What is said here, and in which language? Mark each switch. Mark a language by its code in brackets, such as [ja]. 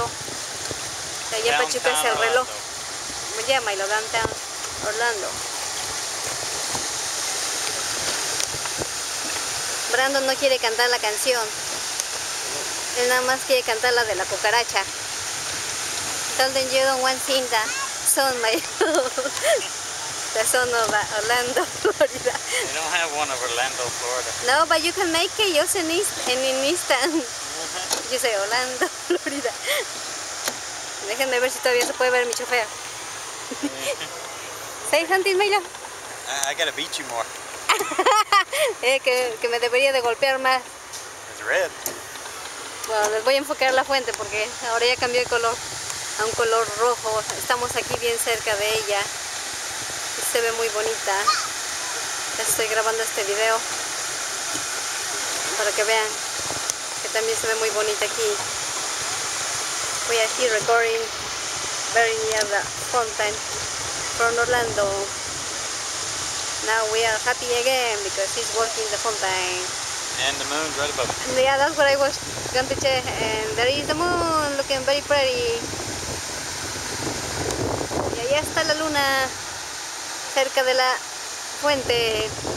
[es] Allá [en] downtown [es] en Pachuca es el reloj. [en] Orlando. Yeah, Milo, downtown Orlando. [es] Brandon no quiere cantar la canción. Él nada más quiere cantar la de la cucaracha. [en] Tell them you don't want to sing that song, my love. The song of Orlando, Florida. They don't have one of Orlando, Florida. No, but you can make it just in an instant. Mm-hmm. You say Orlando, Florida. [es] Déjenme ver si todavía se puede ver mi chofer. [en] Mm-hmm. Say something, my love. I gotta beat you more. [es] que me debería de golpear más. [en] It's red. [es] Bueno, les voy a enfocar la fuente porque ahora ya cambió de color a un color rojo. Estamos aquí bien cerca de ella. Se ve muy bonita. Estoy grabando este video para que vean que también se ve muy bonita aquí. [en] We are here recording very near the fountain from Orlando. Now we are happy again because it's working the fountain. And the moon's right above it. Yeah, that's what I was going to check. And there is the moon, looking very pretty. [es] Y allá está la luna, cerca de la fuente.